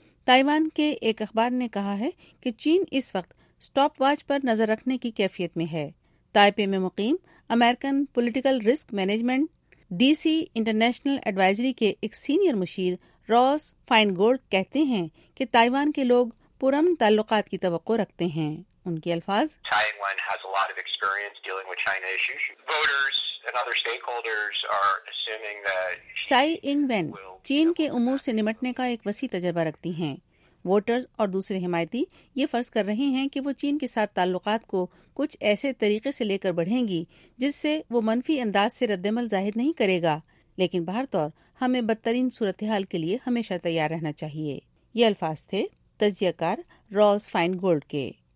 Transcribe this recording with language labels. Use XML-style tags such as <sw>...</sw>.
<ur>Taiwan کے ایک اخبار نے کہا ہے کہ چین اس وقت سٹاپ واچ پر نظر رکھنے کی کیفیت میں ہے۔ تائپے میں مقیم American political risk management D C international advisory کے ایک سینئر مشیر راس فائن گولڈ کہتے ہیں کہ تائیوان کے لوگ پرامن تعلقات کی توقع رکھتے ہیں۔ ان کے الفاظ،</ur> <en>Taiwan has a lot of experience dealing with China issues. Voters and other stakeholders are assuming that</en> <ur>سائی انگ وین چین کے امور سے نمٹنے کا ایک وسیع تجربہ رکھتی ہیں۔ ووٹرز اور دوسرے حمایتی یہ فرض کر رہے ہیں کہ وہ چین کے ساتھ تعلقات کو کچھ ایسے طریقے سے لے کر بڑھیں گی جس سے وہ منفی انداز سے ردعمل ظاہر نہیں کرے گا، لیکن بہر طور ہمیں بدترین صورتحال کے لیے ہمیشہ تیار رہنا چاہیے۔ یہ الفاظ تھے تجزیہ کار راس فائن گولڈ کے۔</ur>